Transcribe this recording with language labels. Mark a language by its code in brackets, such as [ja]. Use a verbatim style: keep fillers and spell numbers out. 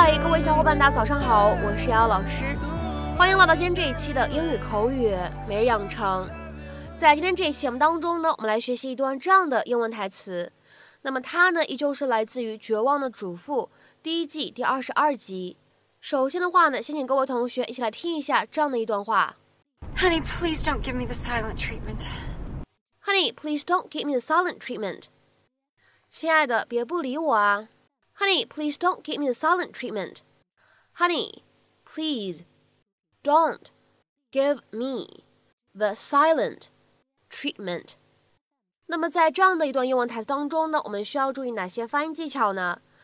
[zh] 位小伙伴大家早上好，我是瑶瑶老师，欢迎来到今天这一期的英语口语每日养成。在今天这一期节目当中呢，我们来学习一段这样的英文台词。那么它呢，依旧是来自于《绝望的主妇》第一季第二十二集。首先的话呢，先请各位同学一起来听一下这样的一段话 [en] ：Honey, please don't give me the silent treatment. Honey, please don't give me the silent treatment. [zh] 亲爱的，别不理我啊。 [en] Honey, please don't give me the silent treatment. Honey, please don't give me the silent treatment. [zh] 那么在这样的一段英文台词当中呢，我们需要注意哪些发音技巧呢？